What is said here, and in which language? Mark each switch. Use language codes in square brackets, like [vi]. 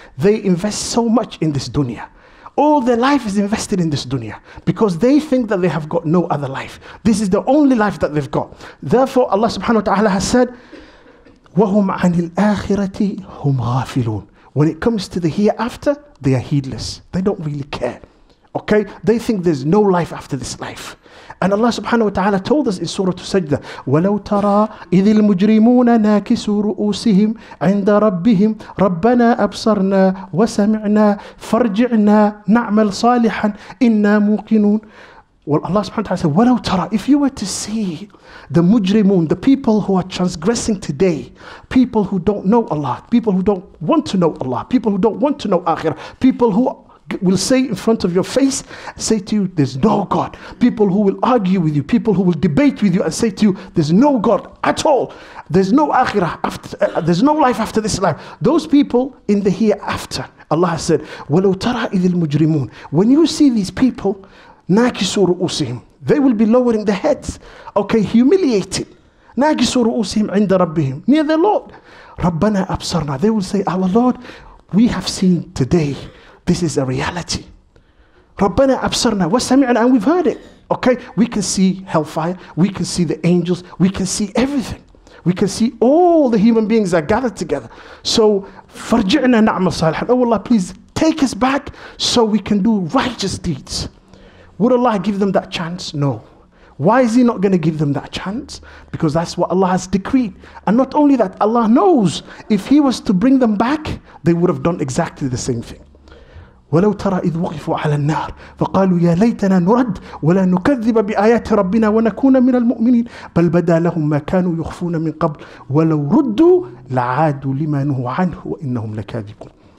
[en] They invest so much in this dunya. All their life is invested in this dunya because they think that they have got no other life. This is the only life that they've got. Therefore, Allah subhanahu wa ta'ala has said, [ar] وَهُمْ عَنِ الْآخِرَةِ هُمْ غَافِلُونَ. [en] When it comes to the hereafter, they are heedless. They don't really care. Okay, they think there's no life after this life. [ar] And Allah subhanahu wa ta'ala told us in Surah Sajdah, وَلَوْ تَرَى إِذِ الْمُجْرِمُونَ نَاكِسُوا رُؤُوسِهِمْ عِنْدَ رَبِّهِمْ رَبَّنَا أَبْصَرْنَا وَسَمِعْنَا فَرْجِعْنَا نَعْمَلْ صَالِحًا إِنَّا مُوقِنُونَ. [en] Well, Allah subhanahu wa ta'ala said, [ar] وَلَوْ تَرَى, [en] if you were to see the mujrimun, the people who are transgressing today, people who don't know Allah, people who don't want to know Allah, people who don't want to know akhirah, people who will say in front of your face, say to you, there's no God. People who will argue with you, people who will debate with you and say to you, there's no God at all. There's no akhirah, there's no life after this life. Those people in the hereafter, Allah has said, [ar] وَلَوْ تَرَى إِذِ الْمُجْرِمُونَ. [en] When you see these people, [ar] نَاكِسُوا رُؤُسِهِمْ. [en] They will be lowering their heads. Okay, humiliated. [ar] نَاكِسُوا رُؤُسِهِمْ عِنْدَ رَبِّهِمْ. [en] Near their Lord. [ar] رَبَّنَا أَبْصَرْنَا. [en] They will say, our Lord, we have seen today. This is a reality. [ar] رَبَّنَا أَبْصَرْنَا وَسَمِعْنَا, [en] and we've heard it. Okay, we can see hellfire, we can see the angels, we can see everything. We can see all the human beings are gathered together. [ar] So, فَرْجِعْنَا نَعْمَ صَالِحًا. [en] Oh Allah, please take us back so we can do righteous deeds. Would Allah give them that chance? No. Why is He not going to give them that chance? Because that's what Allah has decreed. And not only that, Allah knows if He was to bring them back, they would have done exactly the same thing. [ar] وَلَوْ تَرَى إِذْ وُقِفُوا عَلَى النَّارِ فَقَالُوا يَا لَيْتَنَا نُرَدْ وَلَا نُكَذِّبَ بِآيَاتِ رَبِّنَا وَنَكُونَ مِنَ الْمُؤْمِنِينَ بَلْ بَدَى لَهُمْ مَا كَانُوا يُخْفُونَ مِنْ قَبْلِ وَلَوْ رُدُّوا لَعَادُوا لِمَا نُهُوا عَنْهُ وَإِنَّهُمْ لَكَاذِبُونَ.